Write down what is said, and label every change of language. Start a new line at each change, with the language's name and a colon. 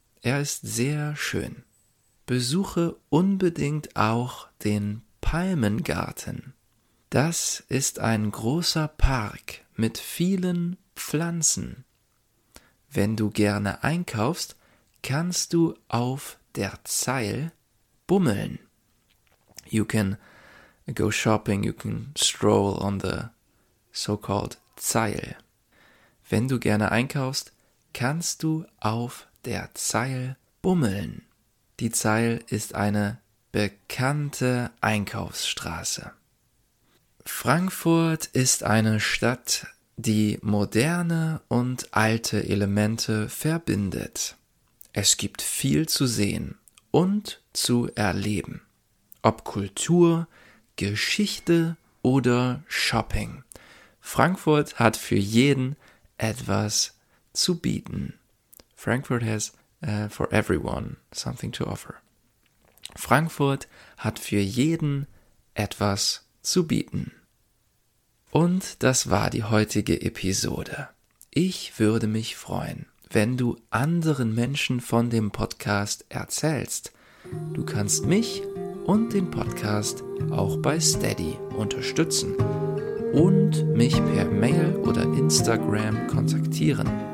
German: Er ist sehr schön. Besuche unbedingt auch den Palmengarten. Das ist ein großer Park mit vielen Pflanzen. Wenn du gerne einkaufst, kannst du auf der Zeil bummeln.
English: You can go shopping, you can stroll on the so-called Zeil.
German: Wenn du gerne einkaufst, kannst du auf der Zeil bummeln. Die Zeil ist eine bekannte Einkaufsstraße. Frankfurt ist eine Stadt, die moderne und alte Elemente verbindet. Es gibt viel zu sehen und zu erleben. Ob Kultur, Geschichte oder Shopping. Frankfurt hat für jeden etwas zu bieten.
English: Frankfurt has for everyone something to offer.
German: Frankfurt hat für jeden etwas zu bieten. Und das war die heutige Episode. Ich würde mich freuen, wenn du anderen Menschen von dem Podcast erzählst. Du kannst mich und den Podcast auch bei Steady unterstützen und mich per Mail oder Instagram kontaktieren.